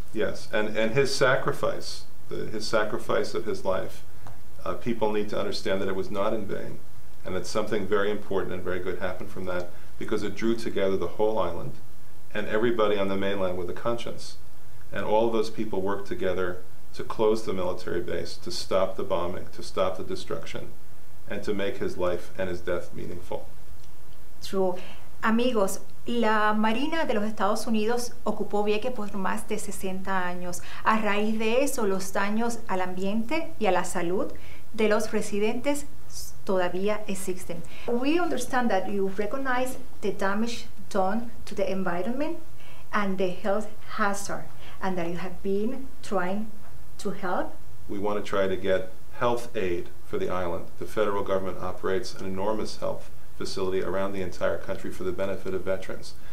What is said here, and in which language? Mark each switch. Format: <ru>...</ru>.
<en>Yes, and his sacrifice, his sacrifice of his life, people need to understand that it was not in vain, and that something very important and very good happened from that, because it drew together the whole island and everybody on the mainland with a conscience. And all of those people worked together to close the military base, to stop the bombing, to stop the destruction, and to make his life and his death meaningful. True.</en> <es>Amigos, la Marina de los Estados Unidos ocupó Vieques por más de 60 años. A raíz de eso, los daños al ambiente y a la salud de los residentes todavía existen.</es> <en>We understand that you recognize the damage done to the environment and the health hazard, and that you have been trying to help. We want to try to get health aid for the island. The federal government operates an enormous health facility around the entire country for the benefit of veterans.</en>